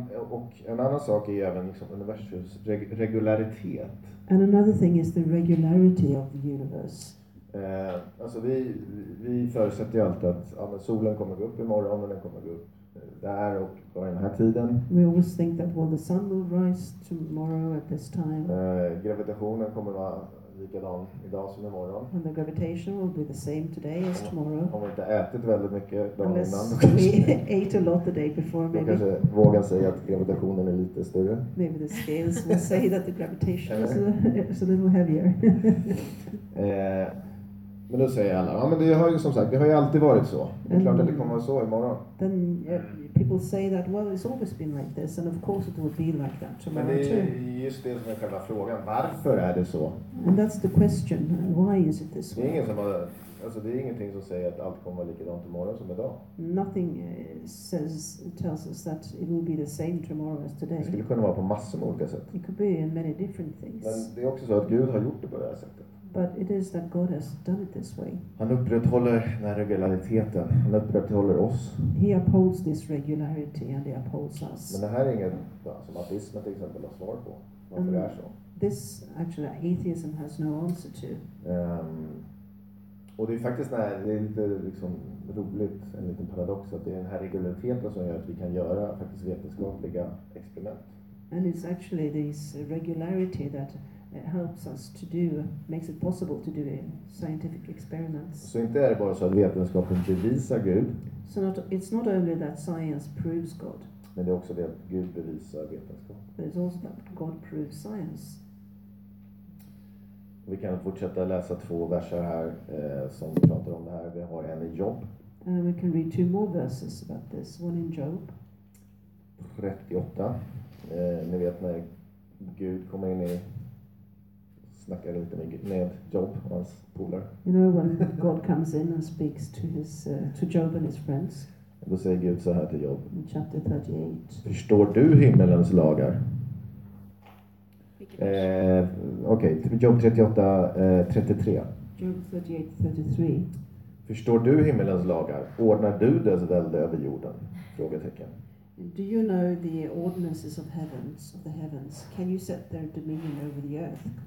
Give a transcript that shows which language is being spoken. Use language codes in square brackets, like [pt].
[sv] Och en annan sak är även liksom universums regularitet. [en] And another thing is the regularity of the universe. [sv] Alltså vi förutsätter ju alltid att ja, solen kommer gå upp imorgon och den kommer gå upp där och på den här tiden. [en] We always think that well, the sun will rise tomorrow at this time. [sv] Gravitationen kommer vara likadan idag som imorgon. [en] And the gravitation will be the same today as tomorrow. [sv] Om vi inte ätit väldigt mycket dagen [en] Unless [sv] innan. [en] Unless we ate a lot the day before, maybe. [sv] Kanske vågar säga att gravitationen är lite större. [en] Maybe the scales will say that the gravitation is a little heavier. [sv] Men då säger alla, ja men det har ju som sagt, det har ju alltid varit så. Det är klart att det kommer att vara så imorgon. [en] Then people say that, well it's always been like this and of course it will be like that tomorrow too. [sv] Men det är just det som är själva frågan, varför är det så? [en] And that's the question, why is it this way? [sv] Det är ingenting som säger att allt kommer att vara likadant imorgon som idag. [en] Nothing tells us that it will be the same tomorrow as today. [sv] Det skulle kunna vara på massor av olika sätt. [en] It could be in many different things. [sv] Men det är också så att Gud har gjort det på det här sättet. [en] But it is that God has done it this way. [sv] Han upprätthåller den här regulariteten. Han upprätthåller oss. [en] He upholds this regularity and he upholds us. [sv] Men det här är inget som ateism till exempel har svar på. Varför det är så. [en] This actually atheism has no answer to. [sv] Och det är faktiskt när det är lite liksom roligt, en liten paradox, att det är den här regulariteten som gör att vi kan göra faktiskt vetenskapliga experiment. [en] And it's actually this regularity that it helps us to do, makes it possible to do scientific experiments. [sv] Så inte är det bara så att vetenskapen bevisar Gud. [en] So not, it's not only that science proves God. [sv] Men det är också det att Gud bevisar vetenskap. [en] But it's also that God proves science. [sv] Vi kan fortsätta läsa två verser här som pratar om det här. Vi har en i Job. [en] And we can read two more verses about this. One in Job. 38. [sv] Ni vet när Gud kommer in i snackar lite med Job och hans polare. [en] You know when God comes in and speaks to his to Job and his friends. [sv] Då säger Gud så här till Job. [en] In chapter 38. [sv] Förstår du himmelens lagar? Okej, okay, Job 38, 33. Job 38, 33. Förstår du himmelens lagar? Ordnar du dess välde över jorden? Frågetecken. [en] Do you know the ordinances of heavens, of the heavens? Can you set their dominion over the earth?